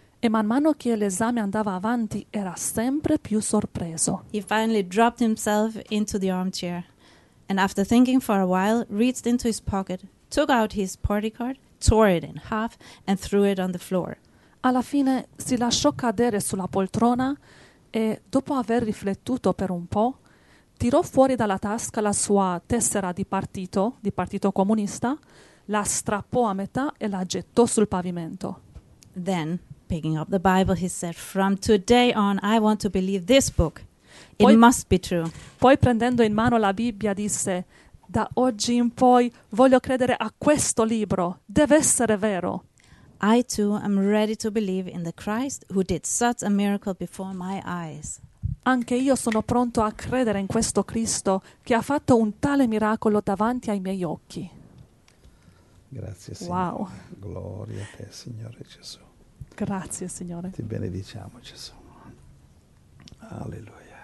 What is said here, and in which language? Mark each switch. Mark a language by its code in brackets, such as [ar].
[it] E man mano che l'esame andava avanti, era sempre più sorpreso. [en] He finally dropped himself into the armchair and after thinking for a while, reached into his pocket, took out his party card, tore it in half and threw it on the floor. [it] Alla fine si lasciò cadere sulla poltrona e, dopo aver riflettuto per un po', tirò fuori dalla tasca la sua tessera di partito comunista, la strappò a metà e la gettò sul pavimento. [en] Then, picking up the Bible, he said, "From today on, I want to believe this book. It must be true." [it] Poi, prendendo in mano la Bibbia, disse, "Da oggi in poi voglio credere a questo libro. Deve essere vero." [en] I too am ready to believe in the Christ who did such a miracle before my eyes. [it] Anche io sono pronto a credere in questo Cristo che ha fatto un tale miracolo davanti ai miei occhi. Grazie, Signore. Wow. Gloria a te, Signore Gesù. Grazie, Signore. Ti benediciamo, Gesù. Alleluia.